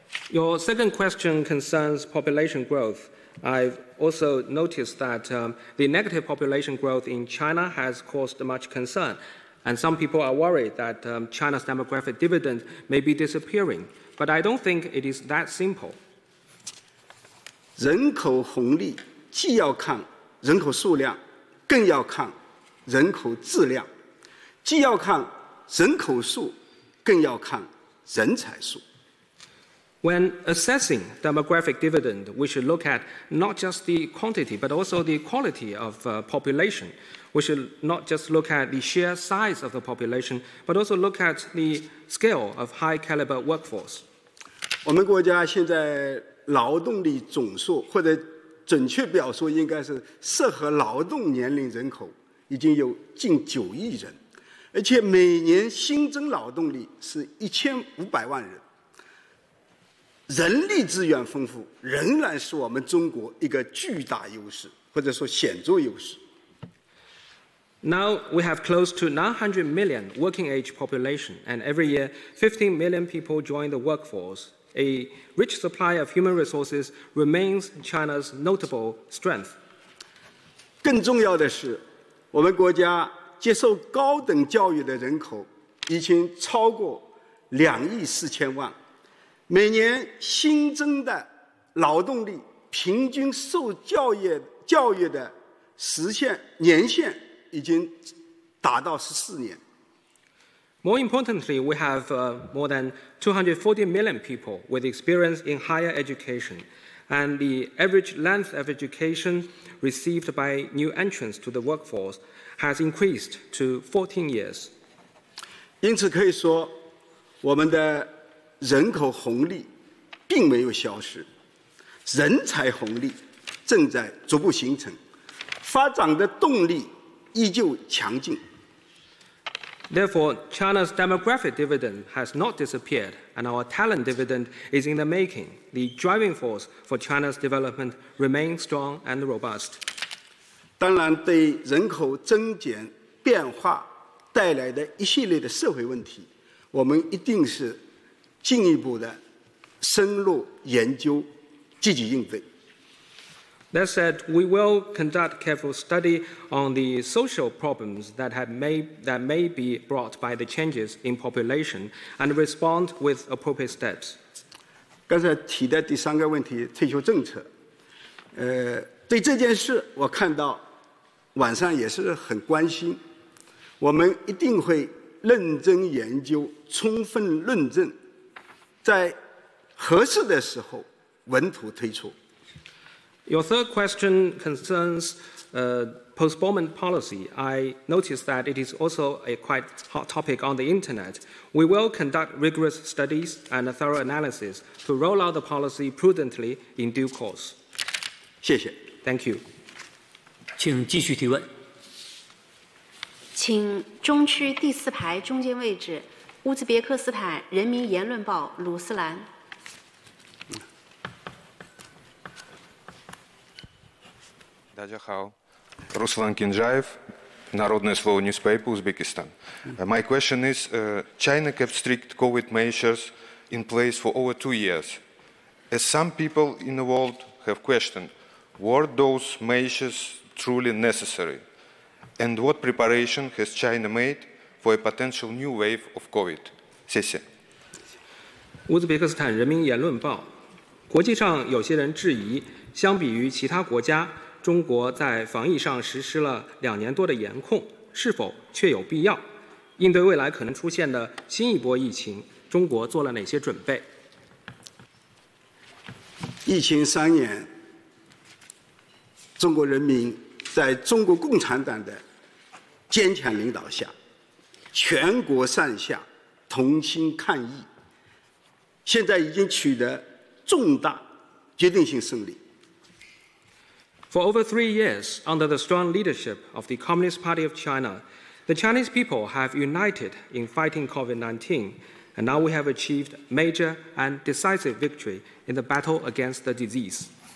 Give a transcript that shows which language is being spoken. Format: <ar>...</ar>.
<en>Your second question concerns population growth. I've also noticed that the negative population growth in China has caused much concern, and some people are worried that China's demographic dividend may be disappearing. But I don't think it is that simple.</en> <zh>人口红利既要看人口数量，更要看人口质量。既要看人口数，更要看人才数。</zh> <en>When assessing demographic dividend, we should look at not just the quantity, but also the quality of population. We should not just look at the sheer size of the population, but also look at the scale of high caliber workforce.</en> <zh>我们国家现在劳动力总数，或者准确表述应该是适合劳动年龄人口，已经有近9亿人。而且每年新增劳动力是1500万人，人力资源丰富仍然是我们中国一个巨大优势，或者说显著优势。</zh> <en>Now we have close to 900 million working age population, and every year 15 million people join the workforce. A rich supply of human resources remains China's notable strength.</en> <zh>更重要的是，我们国家接受高等教育的人口已经超过2.4亿，每年新增的劳动力平均受教育的年限已经达到14年。</zh> <en>More importantly, we have more than 240 million people with experience in higher education, and the average length of education received by new entrants to the workforce has increased to 14 years.</en> <zh>因此可以说，我们的人口红利并没有消失，人才红利正在逐步形成，发展的动力依旧强劲。</zh> <en>Therefore, China's demographic dividend has not disappeared, and our talent dividend is in the making. The driving force for China's development remains strong and robust.</en> <zh>当然，对人口增减变化带来的一系列的社会问题，我们一定是进一步的深入研究，积极应对。</zh> <en>That said, we will conduct careful study on the social problems that may be brought by the changes in population and respond with appropriate steps.</en> <zh>刚才提的第三个问题，退休政策，对这件事，我看到晚上也是很关心，我们一定会认真研究，充分论证，在合适的时候稳妥推出。</zh> <en>Your third question concerns postponement policy. I noticed that it is also a quite hot topic on the internet. We will conduct rigorous studies and a thorough analysis to roll out the policy prudently in due course.</en> <zh>谢谢。</zh> <en>Thank you.</en> <zh>请继续提问。请中区第四排中间位置，乌兹别克斯坦《人民言论报》鲁斯兰。大家好</zh> <en>，Ruslan Kinjaev, Narodnoye Slovo newspaper, Uzbekistan. My question is: China kept strict COVID measures in place for over 2 years. As some people in the world have questioned, were those measures truly necessary? And what preparation has China made for a potential new wave of COVID?</en> <zh>谢谢。乌兹别克斯坦《人民言论报》，国际上有些人质疑，相比于其他国家。中国在防疫上实施了2年多的严控，是否确有必要？应对未来可能出现的新一波疫情，中国做了哪些准备？疫情3年，中国人民在中国共产党的坚强领导下，全国上下同心抗疫，现在已经取得重大决定性胜利。</zh> <en>For over 3 years, under the strong leadership of the Communist Party of China, the Chinese people have united in fighting COVID-19, and now we have achieved major and decisive victory in the battle against the disease.</en>